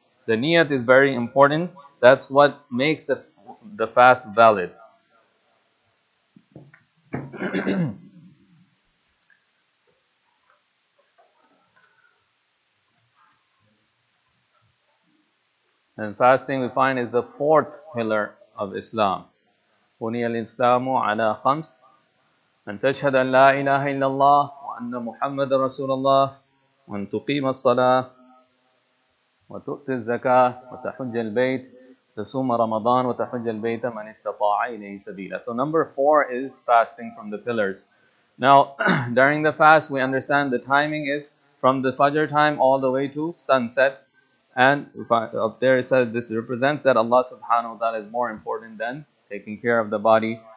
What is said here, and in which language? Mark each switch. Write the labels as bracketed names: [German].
[English] The niyat is very important. That's what makes the fast valid. And fasting, we find, is the fourth pillar of Islam. [Arabic] بني الإسلام على خمس أن تشهد أن لا إله إلا الله وأن محمد رسول الله وأن تقيم الصلاة وتؤتي الزكاة وتحج البيت تصوم رمضان وتحج البيت من استطاع إليه سبيلا. [English] So number four is fasting from the pillars. Now during the fast, we understand the timing is from the Fajr time all the way to sunset. And up there it says this represents that Allah subhanahu wa ta'ala is more important than taking care of the body.